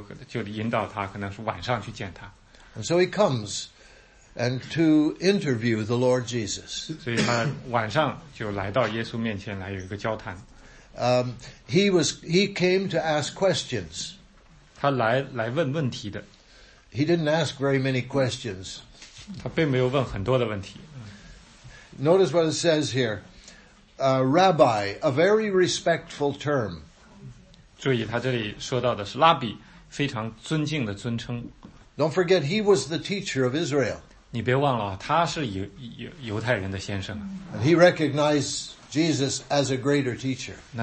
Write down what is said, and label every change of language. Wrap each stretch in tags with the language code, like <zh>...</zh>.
<zh>那当然也有一定，也许他心里有一些畏惧，也担心去得罪其他人，所以这些因素加在一起，就引导他可能是晚上去见他。</zh> <en>And so he comes and to interview the Lord Jesus.</en> <zh>所以他晚上就来到耶稣面前来有一个交谈。</zh> <en>He came to ask questions.</en> <zh>他来问问题的。</zh> <en>He didn't ask very many questions.</en> <zh>他并没有问很多的问题。</zh> <en>Notice what it says here. Rabbi, a very respectful term.</en> <zh>注意他这里说到的是拉比，非常尊敬的尊称。</zh> <en>Don't forget he was the teacher of Israel.</en> <zh>你别忘了，他是犹太人的先生。</zh> <en>And he recognized Jesus as a greater teacher.</en>